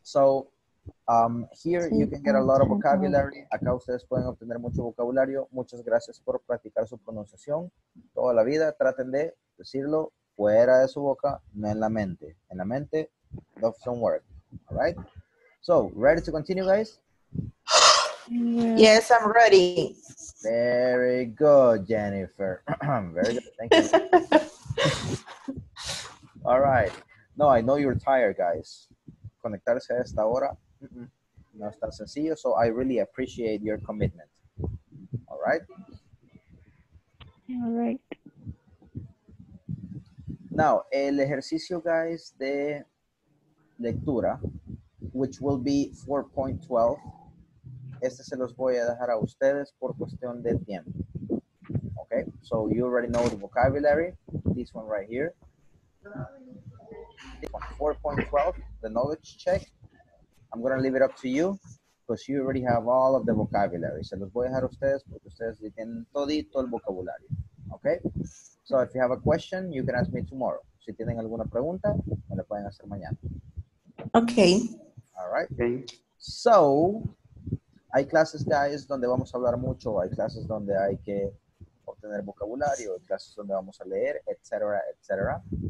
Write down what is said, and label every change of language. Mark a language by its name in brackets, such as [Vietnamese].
[English] So, here you can get a lot of vocabulary. [Spanish] Acá ustedes pueden obtener mucho vocabulario. Muchas gracias por practicar su pronunciación. Toda la vida traten de decirlo fuera de su boca, no en la mente. En la mente, [English] love some work. All right? So, ready to continue, guys? Yes, I'm ready. Very good, Jennifer. Very good. Thank you. All right. No, I know you're tired, guys. [Spanish] Conectarse a esta hora. No está sencillo, [English] so I really appreciate your commitment. All right? All right. [Spanish] Now, el ejercicio, guys, de lectura, [English] which will be [Spanish] 4.12, este se los voy a dejar a ustedes por cuestión de tiempo. Okay? [English] So you already know the vocabulary, this one right here. 4.12, the knowledge check. I'm going to leave it up to you because you already have all of the vocabulary. [Spanish] Se los voy a dejar a ustedes porque ustedes tienen todito el vocabulario. [English] Okay? So if you have a question, you can ask me tomorrow. [Spanish] Si tienen alguna pregunta, me la pueden hacer mañana. [English] Okay. All right. Okay. [Spanish] So, hay clases, guys, donde vamos a hablar mucho. Hay clases donde hay que obtener vocabulario. Hay clases donde vamos a leer, etc., etc.